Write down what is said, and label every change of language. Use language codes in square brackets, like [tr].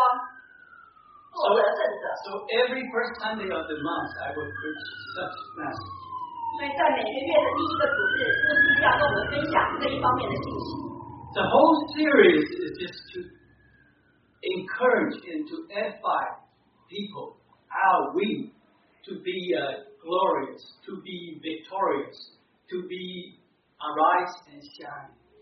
[zh] 也许大家都知道，2016年我们希望爱教会的意向和使命是兴起发光，做得胜者。 [en] So every first Sunday of the month, I would preach such message. [zh] 所以在每个月的第一个主日，牧师要跟我们分享这一方面的信息。 [en] The whole series is just to encourage and to edify people how we to be glorious, to be victorious, to be arise and shine.